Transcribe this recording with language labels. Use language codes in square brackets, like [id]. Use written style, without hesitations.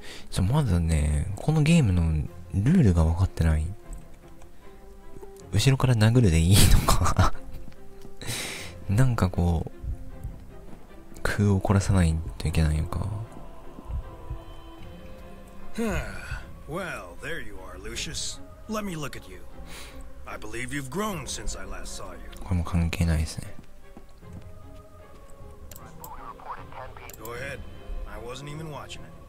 [ja] じゃあまずね、このゲームのルールが分かってない。後ろから殴るでいいのかなんかこう空を凝らさないといけないのか。 [en] Well, there you are, LuciusLet me look at you. I believe you've grown since I last saw you. [ja] これも関係ないですね。 [en] Go ahead. I wasn't even watching it.